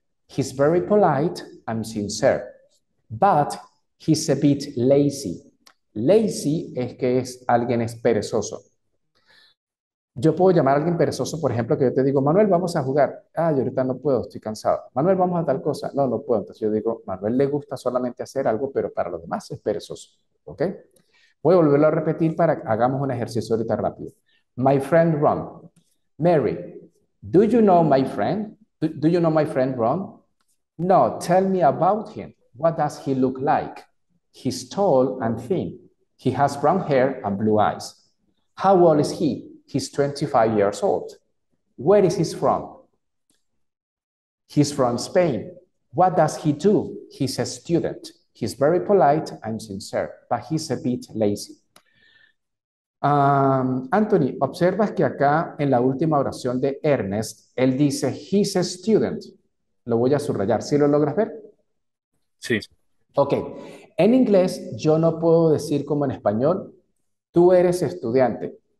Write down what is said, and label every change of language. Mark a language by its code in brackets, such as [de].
[en] He's very polite and sincere. But he's a bit lazy. [es] Lazy es que es alguien es perezoso. Yo puedo llamar a alguien perezoso, por ejemplo, que yo te digo, Manuel, vamos a jugar. Ah, yo ahorita no puedo, estoy cansado. Manuel, vamos a tal cosa. No, no puedo. Entonces yo digo, Manuel le gusta solamente hacer algo, pero para los demás es perezoso. ¿Ok? Voy a volverlo a repetir para que hagamos un ejercicio ahorita rápido. [en] My friend Ron. Mary, do you know my friend? Do you know my friend Ron? No, tell me about him. What does he look like? He's tall and thin. He has brown hair and blue eyes. How old is he? He's 25 years old. Where is he from? He's from Spain. What does he do? He's a student. He's very polite and sincere, but he's a bit lazy. [es] Anthony, observas que acá en la última oración de Ernest, él dice, [en] he's a student. [es] Lo voy a subrayar. ¿Sí lo logras ver? Sí. Ok. En inglés, yo no puedo decir como en español, tú eres estudiante.